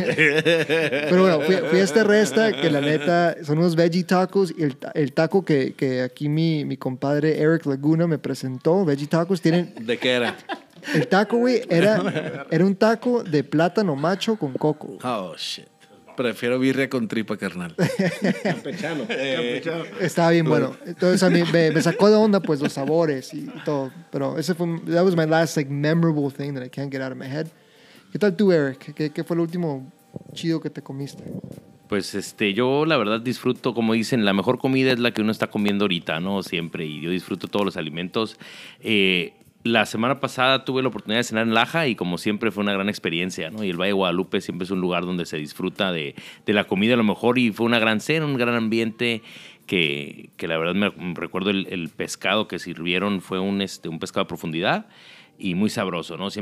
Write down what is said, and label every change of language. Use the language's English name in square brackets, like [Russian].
[Spanish] Pero bueno, fui a este resta, que la neta, son unos veggie tacos, y el taco que aquí mi compadre Eric Laguna me presentó, veggie tacos, tienen... ¿De qué era? El taco, güey, era un taco de plátano macho con coco. [English] Oh, shit. [Spanish] Prefiero birria con tripa, carnal. Campechano. Estaba bien bueno. Entonces a mí me sacó de onda pues los sabores y todo. Pero ese fue, [English] that was my last like memorable thing that I can't get out of my head. [Spanish] ¿Qué tal tú, Eric? ¿Qué fue lo último chido que te comiste? Pues yo la verdad disfruto, como dicen, la mejor comida es la que uno está comiendo ahorita, ¿no? Siempre. Y yo disfruto todos los alimentos. La semana pasada tuve la oportunidad de cenar en Laja y como siempre fue una gran experiencia, ¿no? Y el Valle de Guadalupe siempre es un lugar donde se disfruta de la comida a lo mejor y fue una gran cena, un gran ambiente que la verdad me recuerdo el pescado que sirvieron fue un pescado de profundidad y muy sabroso, ¿no?